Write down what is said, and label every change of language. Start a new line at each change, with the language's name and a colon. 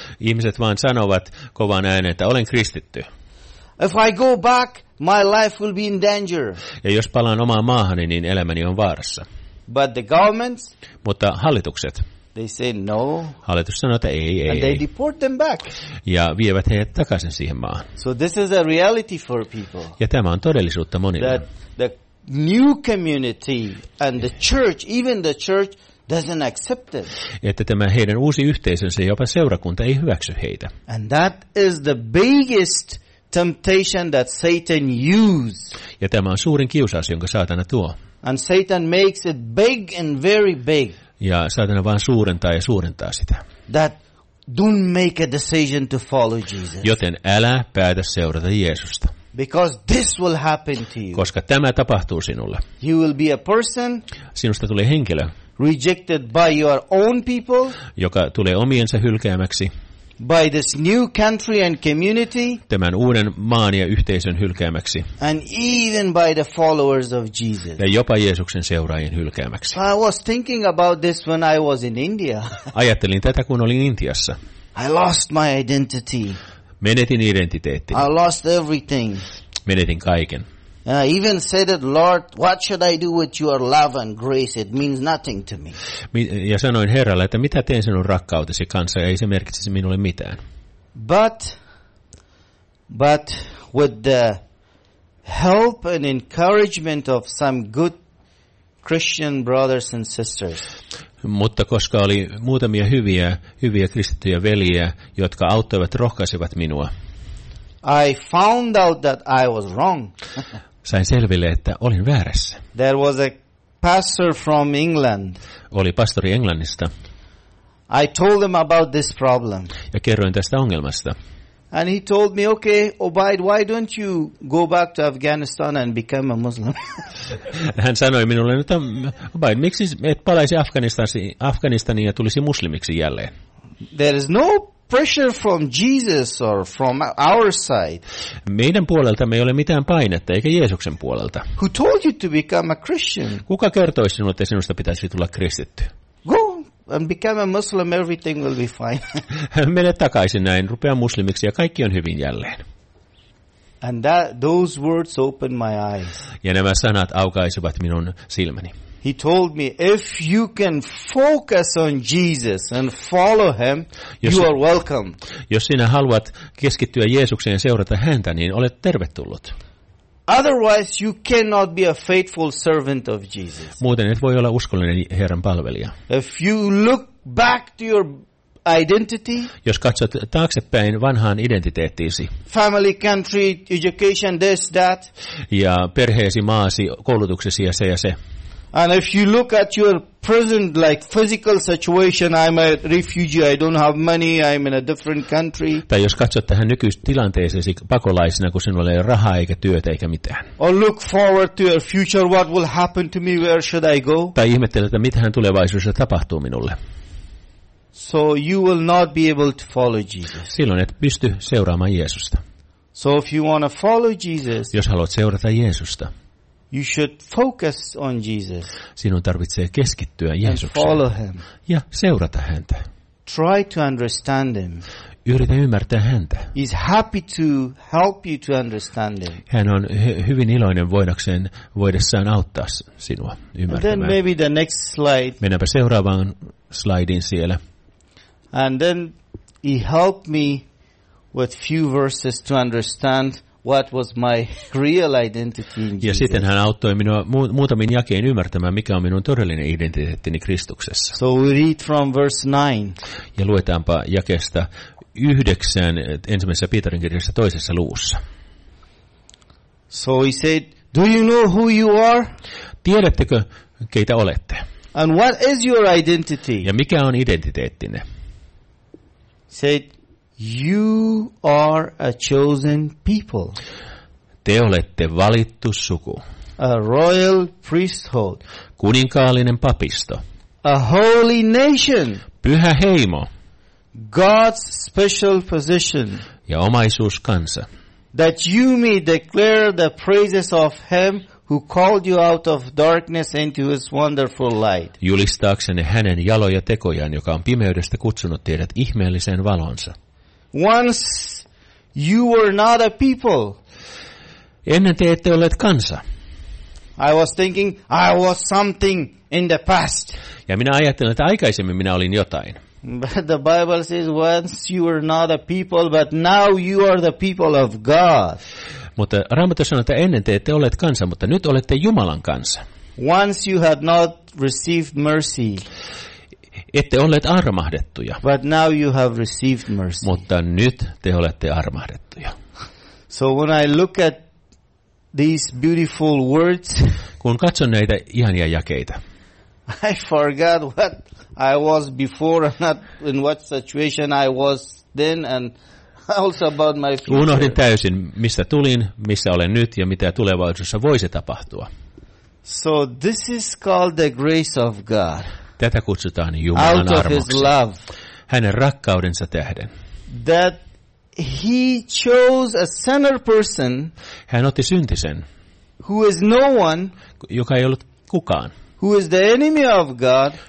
Finnish: Ihmiset vaan sanovat kovan äänen, että olen kristitty.
English: If I go back, my life will be in danger.
Finnish: Ja jos palaan omaan maahani, niin elämäni on vaarassa.
English: But the governments?
Finnish: Mutta hallitukset.
English: They say no.
Finnish: Hallitus sanoo, että ei, ei.
English: And they deport them back.
Finnish: Ja vievät heidät takaisin siihen maahan.
English: So this is a reality for people.
Finnish: Ja tämä on todellisuutta monille.
English: That the new community and the church, even the church, doesn't accept it.
Finnish: Että tämä heidän uusi yhteisönsä, jopa seurakunta, ei hyväksy heitä.
English: And that is the biggest temptation that Satan uses.
Finnish: Ja tämä on suurin kiusaus, jonka saatana tuo.
English: And Satan makes it big and very big.
Finnish: Ja saatana vaan suurentaa ja suurentaa sitä.
English: That don't make a decision to follow Jesus.
Finnish: Joten älä päätä seurata Jeesusta.
English: Because this will happen to you.
Finnish: Koska tämä tapahtuu sinulle.
English: You will be a person.
Finnish: Sinusta tulee henkilö.
English: Rejected by your own people.
Finnish: Joka tulee omiensa hylkäämäksi.
English: By this new country and community.
Finnish: Tämän uuden maan ja yhteisön hylkäämäksi.
English: And even by the followers of Jesus.
Finnish: Ja jopa Jeesuksen seuraajien hylkäämäksi.
English: I was thinking about this when I was in India.
Finnish: Ajattelin tätä, kun olin Intiassa.
English: I lost my identity.
Finnish: Menetin identiteettini.
English: I lost everything.
Finnish: Menetin kaiken.
English: I even said it, Lord, what should I do with your love and grace? It means nothing to me.
Finnish: Ja sanoin Herralle, että mitä teen sinun rakkautesi kanssa, ei se merkitsisi minulle mitään.
English: But with the help and encouragement of some good Christian brothers and sisters.
Finnish: Mutta koska oli muutamia hyviä kristittyjä veljiä, jotka auttoivat, rohkaisivat minua.
English: I found out that I was wrong.
Finnish: Sain selville, että olin väärässä.
English: There was a pastor from England.
Finnish: Oli pastori Englannista.
English: I told him about this problem.
Finnish: Ja kerroin tästä ongelmasta.
English: And he told me, okay, Obaid, why don't you go back to Afghanistan and become a Muslim?
Finnish: Hän sanoi minulle, että Obaid, miksi et palaisi Afganistaniin ja tulisi muslimiksi jälleen?
English: There is no pressure from Jesus or from our side.
Finnish: Meidän puoleltamme ei ole mitään painetta, eikä Jeesuksen puolelta.
English: Who told you to become a Christian?
Finnish: Kuka kertoi sinulle, että sinusta pitäisi tulla kristitty?
English: Go and become a Muslim, everything will be fine.
Finnish: Mene takaisin näin, rupea muslimiksi ja kaikki on hyvin jälleen.
English: And that, those words opened my eyes.
Finnish: Ja nämä sanat aukaisivat minun silmäni.
English: He told me, if you can focus on Jesus and follow him, you are welcome.
Finnish: Jos sinä haluat keskittyä Jeesukseen ja seurata häntä, niin olet tervetullut.
English: Otherwise you cannot be a faithful servant of Jesus.
Finnish: Muuten et voi olla uskollinen Herran palvelija.
English: If you look back to your identity,
Finnish: jos katsot taaksepäin vanhaan identiteettiisi,
English: family, country, education, this, that,
Finnish: ja perheesi, maasi, koulutuksesi ja se,
English: and if you look at your present like physical situation, I'm a refugee, I don't have money, I'm in a different country.
Finnish: Tai jos katsot tähän nykytilanteeseesi pakolaisena, kun sinulla ei ole rahaa eikä työtä eikä mitään.
English: Or look forward to your future, what will happen to me, where should I go?
Finnish: Tai ihmettelet, että mitähän tulevaisuudessa tapahtuu minulle.
English: So you will not be able to follow Jesus.
Finnish: Silloin et pysty seuraamaan Jeesusta.
English: So if you want to follow Jesus,
Finnish: jos haluat seurata Jeesusta,
English: you should focus on Jesus.
Finnish: Sinun tarvitsee keskittyä Jeesukseen.
English: Follow him.
Finnish: Ja seurata häntä.
English: Try to understand him.
Finnish: Yritä ymmärtää häntä.
English: He's happy to help you to understand him.
Finnish: Hän on hyvin iloinen voidessaan auttaa sinua ymmärtämään.
English: And then maybe the next slide.
Finnish: Mennäänpä seuraavaan slaidiin siellä.
English: And then he helped me with few verses to understand what was my real identity in Jesus.
Finnish: Ja sitten hän auttoi minua muutamin jakein ymmärtämään, mikä on minun todellinen identiteettini Kristuksessa.
English: So we read from verse 9.
Finnish: Ja luetaanpa jakeesta 9 ensimmäisessä Pietarin kirjassa toisessa luussa.
English: So he said, do you know who you are?
Finnish: Tiedättekö, keitä olette?
English: And what is your identity?
Finnish: Ja mikä on identiteettinne?
English: Said, you are a chosen people.
Finnish: Te olette valittu suku.
English: A royal priesthood.
Finnish: Kuninkaallinen papisto.
English: A holy nation.
Finnish: Pyhä heimo.
English: God's special possession.
Finnish: Ja omaisuuskansa.
English: That you may declare the praises of him who called you out of darkness into his wonderful light.
Finnish: Julistaaksenne hänen jaloja tekojaan, joka on pimeydestä kutsunut teidät ihmeelliseen valonsa.
English: Once you were not a people.
Finnish: Ennen te ette olleet kansa.
English: I was thinking I was something in the past.
Finnish: Ja minä ajattelin, että aikaisemmin minä olin jotain.
English: But the Bible says once you were not a people, but now you are the people of God.
Finnish: Mutta Raamattu sanoo, että ennen te ette olleet kansa, mutta nyt olette Jumalan kansa.
English: Once you had not received mercy.
Finnish: Ette olleet armahdettuja.
English: But now you have received mercy.
Finnish: Mutta nyt te olette armahdettuja.
English: So when I look at these beautiful words,
Finnish: kun katson näitä ihania jakeita,
English: I forgot what I was before and in what situation I was then and also about my future.
Finnish: Unohdin täysin, mistä tulin, missä olen nyt ja mitä tulevaisuudessa voisi tapahtua.
English: So this is called the grace of God.
Finnish: Tätä kutsutaan Jumalan armoksi. Hänen rakkaudensa tähden.
English: That he chose a sinner person.
Finnish: Hän otti syntisen.
English: Who is no one?
Finnish: Joka ei ollut kukaan.
English: Who is the enemy of God?